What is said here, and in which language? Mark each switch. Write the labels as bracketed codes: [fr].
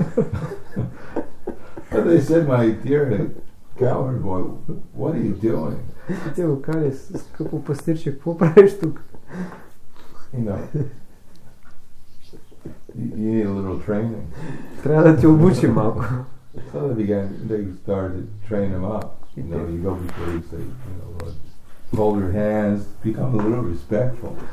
[en] But they said, my dear coward boy, what are you doing? [bg] Те го кали, скъпо пастирче, какво правиш тук? [en] You know, you need a little training. [bg] Трябва да ти обучим малко. [en] So they started to train him up. You know, you go before you say, you know, Lord, hold your hands, become a little respectful.